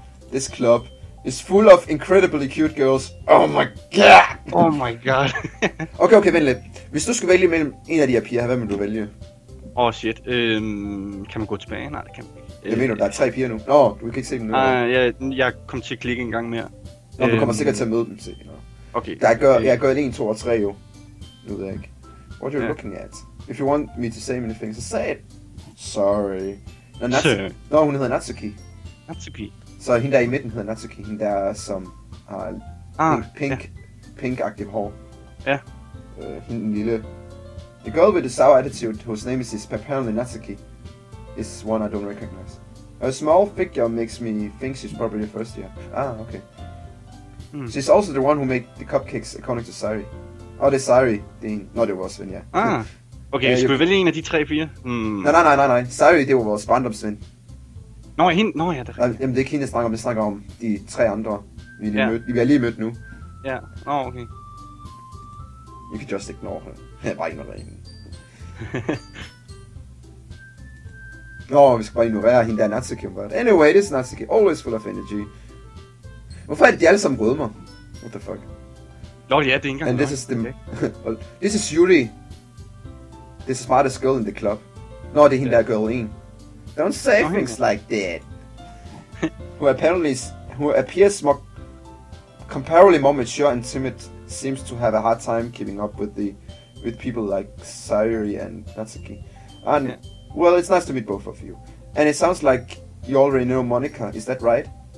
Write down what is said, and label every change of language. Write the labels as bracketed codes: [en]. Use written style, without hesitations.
[en] This club is full of incredibly cute girls. Oh my god! Oh my god. [da] Okay, vent lidt. Hvis du skulle vælge mellem en af de her piger, hvad vil du vælge? [en] Oh shit. [da] Kan man gå tilbage? Nej, det kan man ikke. Jeg mener, der er tre piger nu. Nå, oh, du kan ikke se dem nu. Jeg kom til at klikke en gang mere. Nå, du kommer sikkert til at møde dem til. Okay. Jeg gør 1, 2 og 3 jo. Nu ved jeg ikke. [en] What you're looking at? If you want me to say anything, so say it. [da] Sorry. Nå, hun hedder Natsuki. Natsuki. Så hende der i midten hedder Natsuki. Hende der, som har pink-aktiv hår. Ja. Hende en lille. [en] The girl with the sour attitude, whose name is apparently Natsuki, is one I don't recognize. Her small figure makes me think she's probably the first year. Ah, okay. Hmm. She's also the one who made the cupcakes according to Sari. [da] Oh, det er Sari. Det er en... Nå, det var også, ja. Okay, skulle vi vælge en af de tre piger? Nej. Sorry, det var vores barndomsven. Nå, det er rigtigt. Jamen, det er ikke hende, jeg snakker om. Jeg snakker om de tre andre, vi har lige mødt nu. Ja, yeah. Okay. [en] You can just ignore her. [da] Jeg bare ignorerer hende. Nå, vi skal bare ignorere hende, der er Natsuki. [en] But anyway, this Natsuki, always full of energy. [da] Hvorfor er det, de alle sammen rødmer? [en] What the fuck? [da] Nå, ja, det er ikke [en] engang. This is Yuri. The smartest girl in the club. [da] Nå, det er hende, der er Girl 1. [en] Don't say things like that. Who appears more comparably more mature and timid, seems to have a hard time keeping up with people like Sayuri and Natsuki. And, well, it's nice to meet both of you. And it sounds like you already know Monica, is that right?